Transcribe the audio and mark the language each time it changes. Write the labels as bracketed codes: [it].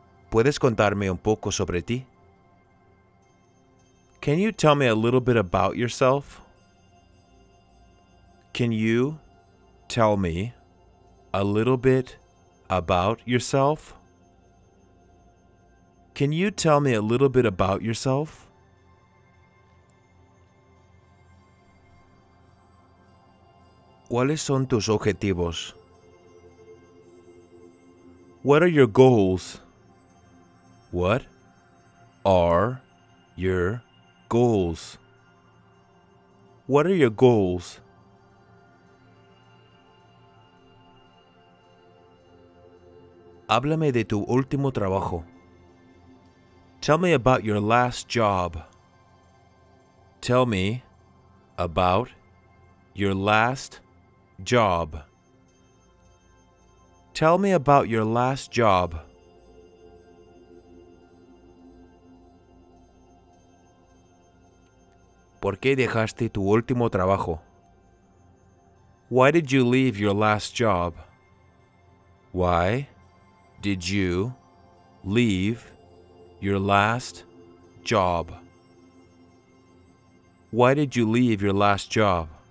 [es] ¿Puedes contarme un poco sobre ti? [en] Can you tell me a little bit about yourself? Can you tell me a little bit about yourself? Can you tell me a little bit about yourself? [es] ¿Cuáles son tus objetivos? [en] What are your goals? What are your goals? What are your goals? [es] Háblame de tu último trabajo. [en] Tell me about your last job. Tell me about your last job. Tell me about your last job. [es] ¿Por qué dejaste tu último trabajo? [en] Why did you leave your last job? Why did you leave your last job? Why did you leave your last job?